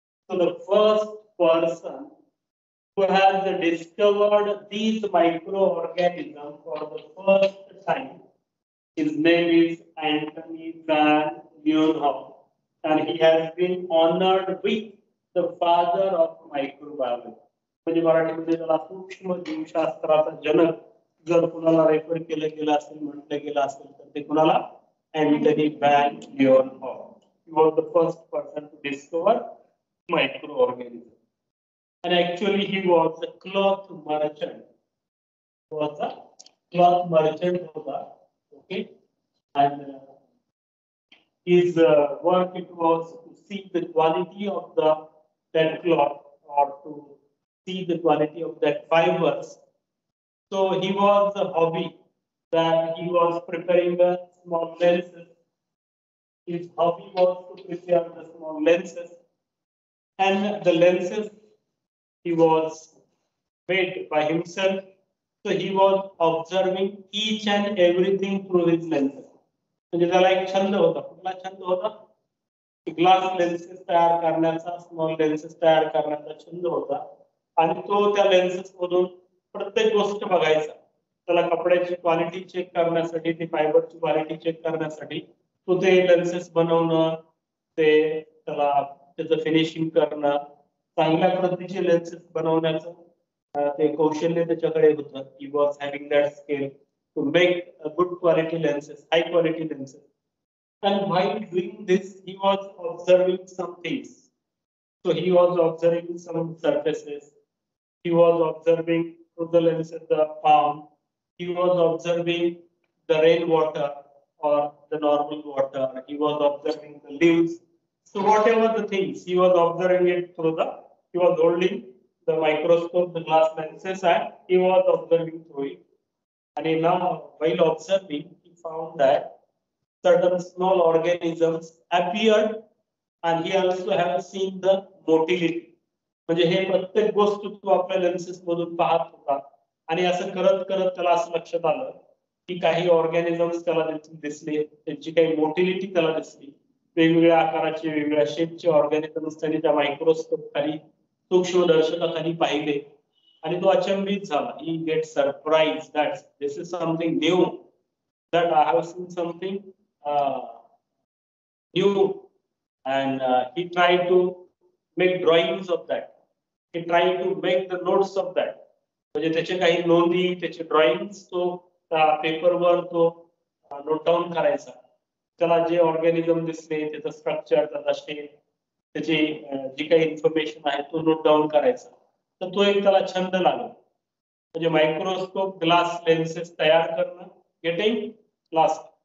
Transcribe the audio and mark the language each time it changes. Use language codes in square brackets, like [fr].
[en] So the first person who has discovered these microorganisms for the first time, his name is Anthony Van Leeuwenhoek. And he has been honored with the father of microbiology. [mr] म्हणजे मराठीमध्ये ज्याला सूक्ष्म जीवशास्त्राचा जनक जर कुणाला refer केलं गेलं असेल म्हटलं गेलं असेल तर ते कुणाला Antony van लिओनहॉक. [en] He was the first person to discover micro organism. आणि actually he was a cloth merchant. Was a cloth merchant होता. Okay. And his work it was to see the quality of the that cloth or to see the quality of that fibers. So he was a hobby that he was preparing the small lenses. His hobby was to prepare the small lenses. And the lenses he was made by himself. So he was observing each and everything through his lenses. [mr] म्हणजे त्याला एक छंद होता. कुठला छंद होता? Glass lenses तयार करण्याचा, स्मॉल लेन्सेस तयार करण्याचा छंद होता. आणि तो त्या लेन्सेस मधून प्रत्येक गोष्ट बघायचा. त्याला कपड्याची क्वालिटी चेक करण्यासाठी, ती फायबरची क्वालिटी चेक करण्यासाठी तो ते लेन्सेस बनवणं, ते त्याला त्याचं फिनिशिंग करणं, चांगल्या प्रतीचे लेन्सेस बनवण्याचं ते कौशल्य त्याच्याकडे होतं. [en] He was having that skill to make good quality lenses, high quality lenses. And while doing this he was observing some things. So he was observing some surfaces. He was observing through the lens of the palm. He was observing the rainwater or the normal water. He was observing the leaves. So whatever the things, he was observing it through the, he was holding the microscope, the glass lenses, and he was observing through it. And now while observing, he found that certain small organisms appeared. And he also have seen the motility. [mr] म्हणजे हे प्रत्येक गोष्ट तो आपल्या lenses मधून पाहत होता. आणि असं करत करत त्याला असं लक्षात आलं की काही ऑर्गॅनिझम्स त्याला दिसले, त्यांची काही मोटिलिटी त्याला दिसली. वेगवेगळ्या आकाराचे, वेगवेगळ्या शेपचे ऑर्गॅनिझम्स त्याने त्या मायक्रोस्कोप खाली सूक्ष्मदर्शकाखाली पाहिले. आणि तो अचंबित झाला. [en] He get surprise that this is something new, that I have seen something new. And he tried to make drawings of that. He tried to make the notes of that. [mr] म्हणजे त्याचे काही नोंदी, त्याचे ड्रॉइंग्स तो पेपरवर तो नोट डाऊन करायचा. त्याला जे ऑर्गॅनिझम दिसले, त्याचं स्ट्रक्चर, त्याचा शेप, त्याची जी काही इन्फॉर्मेशन आहे तो नोट डाऊन करायचा. तर तो एक त्याला छंद लागला. म्हणजे मायक्रोस्कोप, ग्लास लेन्सेस तयार करणं, [en] getting glass,